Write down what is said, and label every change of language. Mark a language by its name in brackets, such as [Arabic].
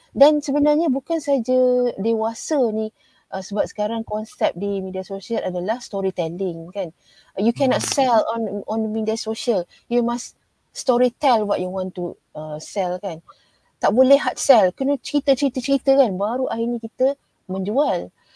[Malay] Dan sebenarnya bukan saja dewasa ni, sebab sekarang konsep di media sosial adalah storytelling kan. [English] You cannot sell on [Malay] media sosial. [English] You must storytell what you want to sell kan. [Malay] Tak boleh hard sell. Kena cerita kan. Baru akhirnya kita menjual.